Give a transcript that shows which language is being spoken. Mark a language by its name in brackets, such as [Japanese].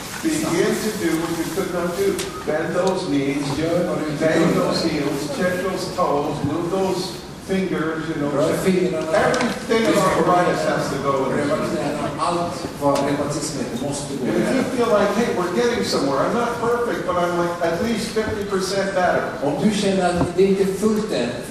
[English] Begin to do what you could not do. Bend those knees. Bend those heels. Check those toes. Move those fingers. You know, everything in our arthritis has to go. [Swedish] Allt vad reumatismen måste gå. [English] If you feel like, hey, we're getting somewhere. I'm not perfect, but I'm like at least 50% better. [Swedish] Om du känner att det inte fullt än.